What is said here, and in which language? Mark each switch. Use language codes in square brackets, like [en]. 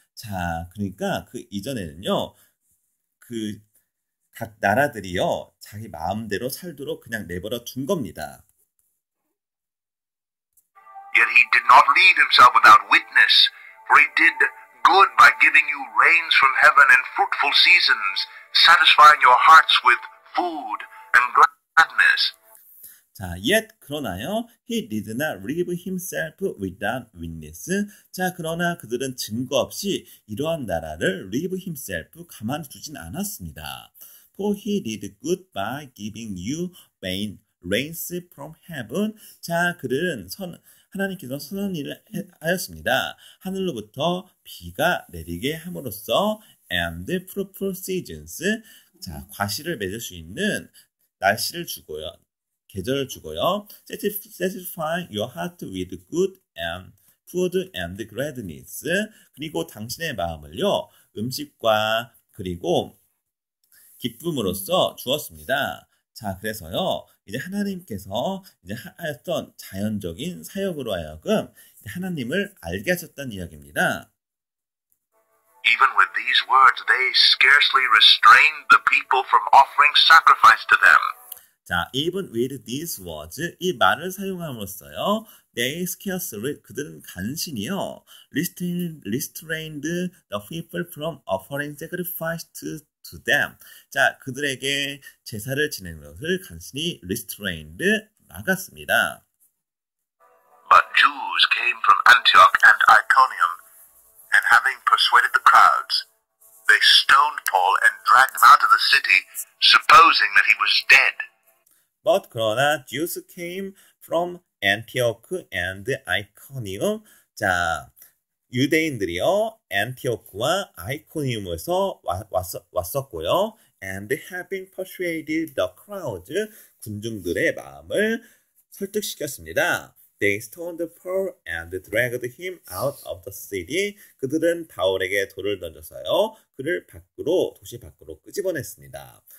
[ko] 자, 그러니까 그 이전에는요, 그 각 나라들이요, 자기 마음대로 살도록 그냥 내버려 둔 겁니다. [en] Yet he did not leave himself without witness, for he did good by giving you rains from heaven and fruitful seasons, satisfying your hearts with food and gladness. 자, yet 그러나요? He did not leave himself without witness. [ko] 자, 그러나 그들은 증거 없이 이러한 나라를 [en] leave himself [ko] 가만두진 않았습니다. [en] For he did good by giving you rains from heaven. [ko] 자, 그들은 하나님께서 선한 일을 하였습니다. 하늘로부터 비가 내리게 함으로써 [en] and fruitful seasons. [ko] 자, 과실을 맺을 수 있는 날씨를 주고요. 계절을 주고요. [en] Satisfy your heart with good and food and gladness. [ko] 그리고 당신의 마음을요. 음식과 그리고 기쁨으로써 주었습니다. 자, 그래서요. 이제 하나님께서 이제 하였던 자연적인 사역으로 하여금 이제 하나님을 알게 하셨다는 이야기입니다. [en] Even with these words, they scarcely restrained the people from offering sacrifice to them. 자, even with these words, [ko] 이 말을 사용함으로써요, [en] they scarcely, [ko] 그들은 간신히요, [en] restrained the people from offering sacrifice to them. [ko] 자, 그들에게 제사를 지내는 것을 간신히 restrained 막았습니다. [en] But Jews came from Antioch and Iconium, and having persuaded the crowds, they stoned Paul and dragged him out of the city, supposing that he was dead. But 그러나 Jews came from Antioch and Iconium. [ko] 자, 유대인들이요, Antioch와 Iconium에서 왔었고요. [en] And having persuaded the crowd, [ko] 군중들의 마음을 설득시켰습니다. [en] They stoned Paul and dragged him out of the city. [ko] 그들은 바울에게 돌을 던져서요, 그를 도시 밖으로 끄집어냈습니다.